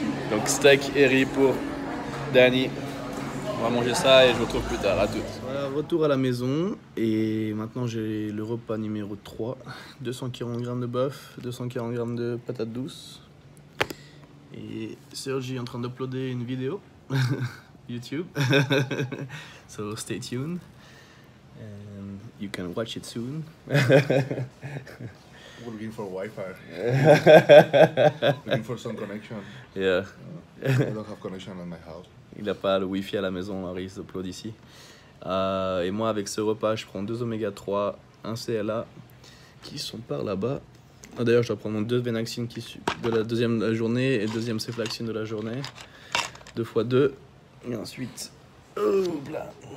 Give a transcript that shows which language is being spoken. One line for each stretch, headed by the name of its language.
French: Donc steak et riz pour Danny. On va manger ça et je vous retrouve plus tard. À tout. Voilà, retour à la maison et maintenant j'ai le repas numéro 3. 240 g de bœuf, 240 g de patates douces. Et Sergi est en train d'uploader une vidéo YouTube.
English: So stay tuned. And you can watch it soon. We're looking for Wi-Fi. Looking for some connection. Yeah. I don't have connection at my house.
French: Il n'a pas le Wi-Fi à la maison, alors il s'upload ici. Et moi, avec ce repas, je prends 2 oméga 3, un CLA, qui sont par là-bas. Ah, d'ailleurs, je dois prendre mon 2 Venaxine de la deuxième journée et 2e Ceflaxine de la journée. 2x2. Et ensuite, oubla.